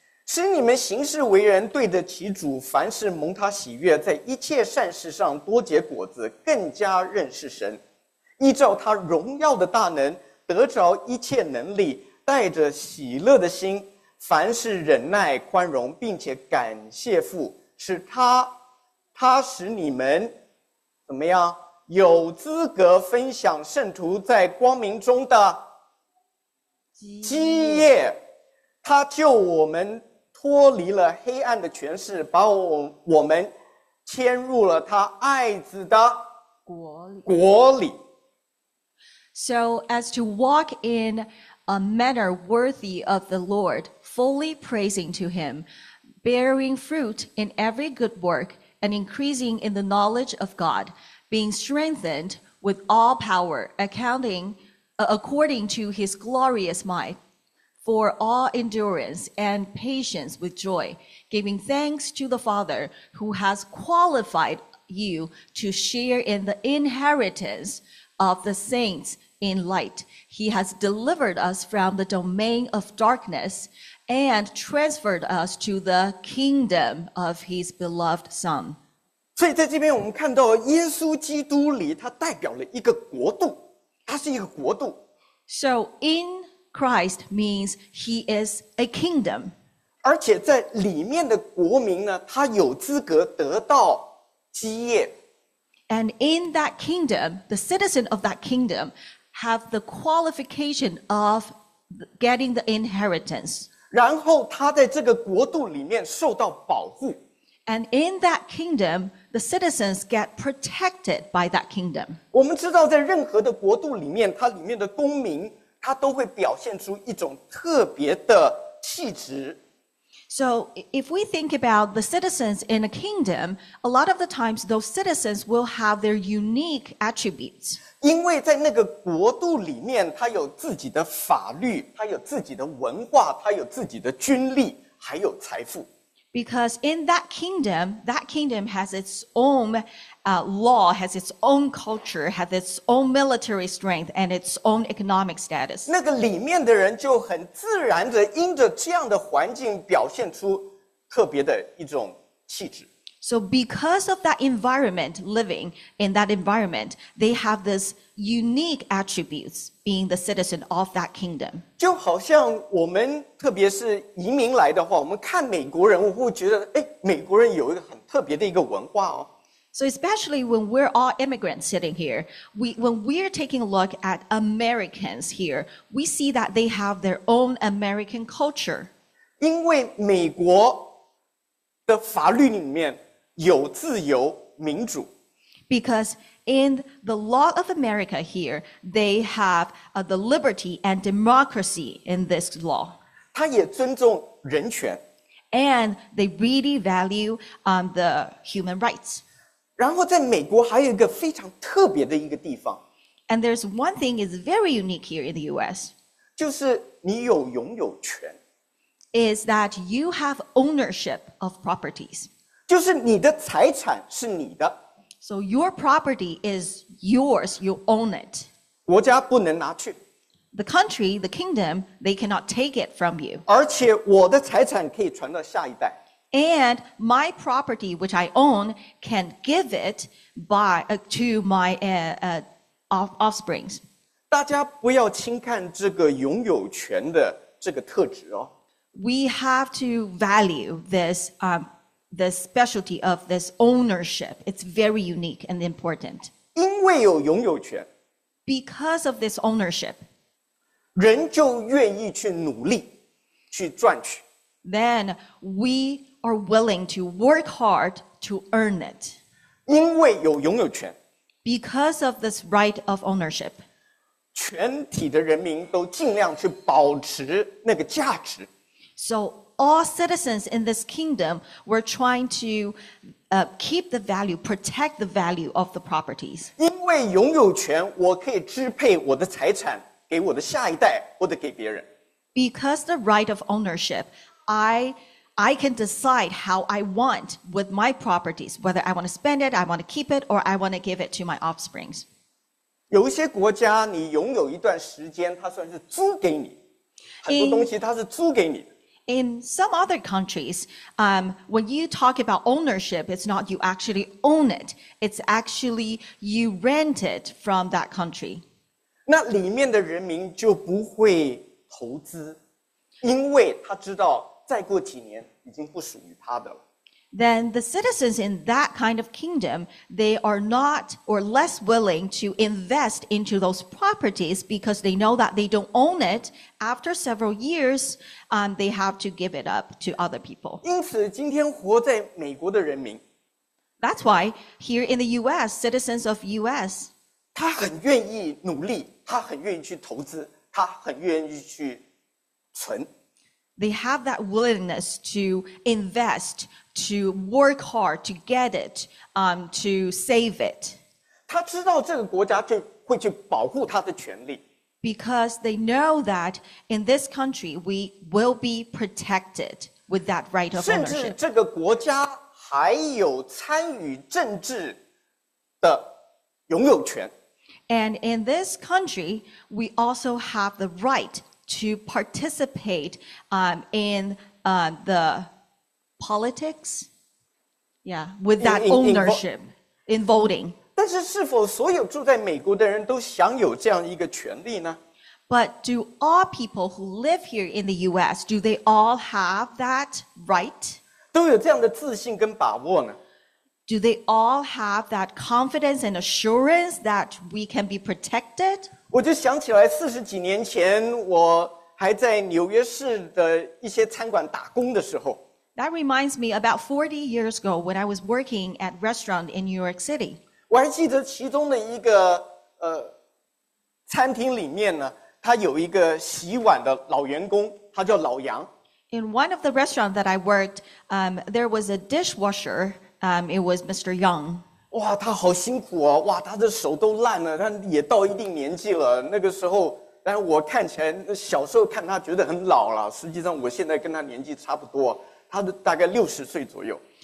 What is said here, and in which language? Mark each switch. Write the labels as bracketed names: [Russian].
[Chinese] 使你们行事为人对得起主，凡事蒙他喜悦，在一切善事上多结果子，更加认识神，依照他荣耀的大能，得着一切能力，带着喜乐的心，凡事忍耐宽容，并且感谢父，使他使你们怎么样有资格分享圣徒在光明中的基业。他救我们脱离了黑暗的权势，把我们迁入了他爱子的国里。 [English] So as to walk inA manner worthy of the Lord, fully praising to him, bearing fruit in every good work, and increasing in the knowledge of God, being strengthened with all power, according to his glorious might, for all endurance and patience with joy, giving thanks to the Father who has qualified you to share in the inheritance of the saints. In light, he has delivered us from the domain of darkness and transferred us to the kingdom of his beloved son. [Chinese] 所以在这边我们看到耶稣基督里他代表了一个国度，他是一个国度。 [English] So in Christ means he is a kingdom. [Chinese] 而且在里面的国民呢，他有资格得到基业。 [English] And in that kingdom, the citizen of that kingdom have the qualification of getting the inheritance. [Chinese] 然后他在这个国度里面受到保护。 [English] And in that kingdom, the citizens get protected by that kingdom. [Chinese] 我们知道在任何的国度里面，它里面的公民，他都会表现出一种特别的气质。 [English] So if we think about the citizens in a kingdom, a lot of the times those citizens will have their unique attributes. [Chinese] 因为在那个国度里面，它有自己的法律，它有自己的文化，它有自己的军力，还有财富。 [English] Because in that kingdom has its own law, has its own culture, has its own military strength, and its own economic status. [Chinese] 那个里面的人就很自然地因着这样的环境表现出特别的一种气质。 [English] So because of that environment, living in that environment, they have this unique attributes being the citizen of that kingdom. [Chinese] 就好像我们特别是移民来的话，我们看美国人，我会觉得，哎，美国人有一个很特别的一个文化哦。 [English] So especially when we're all immigrants sitting here, when we're taking a look at Americans here, we see that they have their own American culture. [Chinese] 因为美国的法律里面有自由民主。 [English] Because in the law of America here, they have the liberty and democracy in this law. [Chinese] 他也尊重人权。 [English] And they really value the human rights. [Chinese] 然后在美国还有一个非常特别的一个地方。 [English] And there's one thing is very unique here in the US. [Chinese] 就是你有拥有权。 [English] Is that you have ownership of properties. [Chinese] 就是你的财产是你的。 [English] So your property is yours, you own it. [Chinese] 国家不能拿去。 [English] The country, the kingdom, they cannot take it from you. [Chinese] 而且我的财产可以传到下一代。 [English] And my property, which I own, can give it by, to my offsprings. [Chinese] 大家不要轻看这个拥有权的这个特质哦。 [English] We have to value this, the specialty of this ownership. It's very unique and important. [Chinese] 因为有拥有权。 [English] Because of this ownership. [Chinese] 人就愿意去努力，去赚取。 [English] Then we are willing to work hard to earn it. [Chinese] 因为有拥有权。 [English] Because of this right of ownership. [Chinese] 全体的人民都尽量去保持那个价值。 [English] So all citizens in this kingdom were trying to keep the value, protect the value of the properties. [Chinese] 因为拥有权，我可以支配我的财产给我的下一代，或者给别人。 [English] Because the right of ownership, I can decide how I want with my properties, whether I want to spend it, I want to keep it, or I want to give it to my offsprings. [Chinese] 有一些国家，你拥有一段时间，它算是租给你，很多东西它是租给你的。 [English] In some other countries, when you talk about ownership, it's not you actually own it. It's actually you rent it from that country. [Chinese] 那里面的人民就不会投资，因为他知道再过几年已经不属于他的了。 [English] Then the citizens in that kind of kingdom, they are not or less willing to invest into those properties because they know that they don't own it. After several years, they have to give it up to other people. [Chinese] 因此今天活在美国的人民。 [English] That's why here in the US, citizens of US. [Chinese] 他很愿意努力，他很愿意去投资，他很愿意去存。 [English] They have that willingness to invest, to work hard, to get it, to save it. [Chinese] 他知道这个国家就会去保护他的权利。 [English] Because they know that in this country, we will be protected with that right of ownership. [Chinese] 甚至这个国家还有参与政治的拥有权。 [English] And in this country, we also have the right to participate in the politics, yeah, with that ownership, in voting. [Chinese] 但是是否所有住在美国的人都享有这样一个权利呢？ [English] But do all people who live here in the US, do they all have that right? [Chinese] 都有这样的自信跟把握呢？ [English] Do they all have that confidence and assurance that we can be protected? [Chinese] 我就想起来四十几年前我还在纽约市的一些餐馆打工的时候。 [English] That reminds me about 40 years ago when I was working at a restaurant in New York City. [Chinese] 我还记得其中的一个餐厅里面呢，他有一个洗碗的老员工，他叫老杨。 [English] In one of the restaurants that I worked, there was a dishwasher. It was Mr. Young. [Chinese] 哇，他好辛苦哦！哇，他的手都烂了，他也到一定年纪了。那个时候，但我看起来小时候看他觉得很老了，实际上我现在跟他年纪差不多，他大概60岁左右。